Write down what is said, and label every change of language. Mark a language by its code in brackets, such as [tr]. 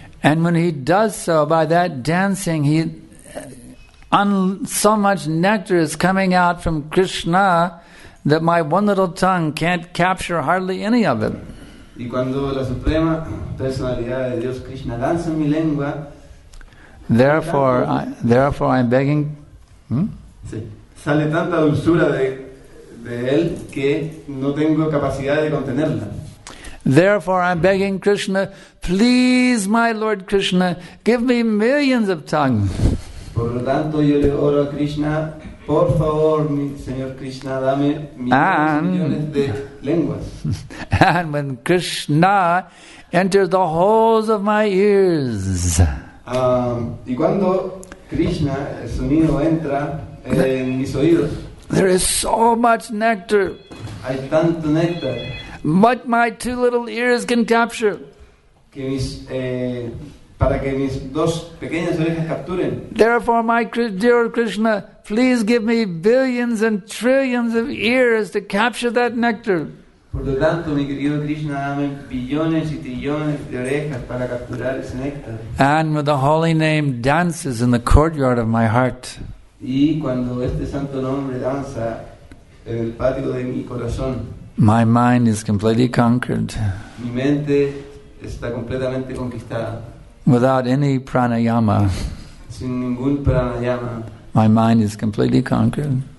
[en] And when he does so, by that dancing, so much nectar is coming out from Krishna that my one little tongue can't capture hardly any of it. [es] Y cuando la Suprema Personalidad de Dios Krishna danza en mi lengua, [en] therefore I'm begging. [es] Sí. Sale tanta dulzura de él que no tengo capacidad de contenerla. [en] Therefore I'm begging Krishna, please, my Lord Krishna, give me millions of tongues. [es] Por lo tanto yo le oro a Krishna, por favor, mi señor Krishna, dame millones de lenguas. [en] And when Krishna enters the holes of my ears. [es] Y cuando Krishna, el sonido entra en mis oídos. [en] There is so much nectar. [es] Hay tanto néctar. [en] What my two little ears can capture. [es] Que mis para que mis dos pequeñas orejas capturen. [en] Therefore, my dear Krishna, please give me billions and trillions of ears to capture that nectar. [es] Por lo tanto, mi querido Krishna, dame billones y trillones de orejas para capturar ese néctar. [en] And when the holy name dances in the courtyard of my heart. [es] Y cuando este santo nombre danza en el patio de mi corazón. [en] My mind is completely conquered. [es] Mi mente está completamente conquistada. [en] Without any pranayama. [es] Sin ningún pranayama. [en] My mind is completely conquered.